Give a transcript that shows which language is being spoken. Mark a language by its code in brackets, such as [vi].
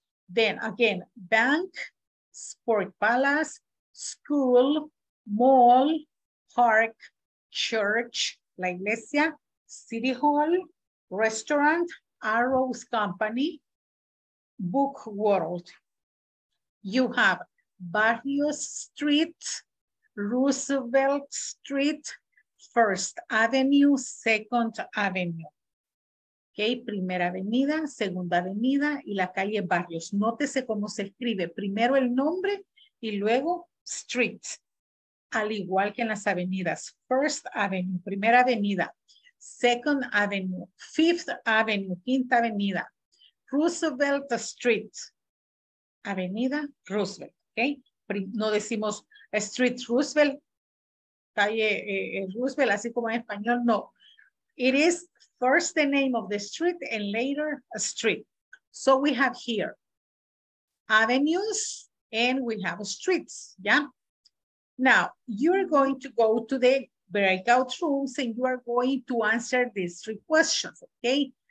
[en] Then again, bank, sport palace, school, mall, park, church, la iglesia, city hall, restaurant, Arrows Company, book world. You have Barrio Street, Roosevelt Street, First Avenue, Second Avenue. [es] Okay, Primera Avenida, Segunda Avenida y la calle Barrios. Nótese cómo se escribe primero el nombre y luego street, al igual que en las avenidas. [en] First Avenue, [es] Primera Avenida. [en] Second Avenue, Fifth Avenue, [es] Quinta Avenida. [en] Roosevelt Street, [es] Avenida Roosevelt, [en] okay? [es] No decimos Street Roosevelt, calle Roosevelt, así como en español, no. [en] It is first the name of the street and later a street. So we have here avenues, and we have streets, yeah? Now, you're going to go to the breakout rooms and you are going to answer these 3 questions, okay?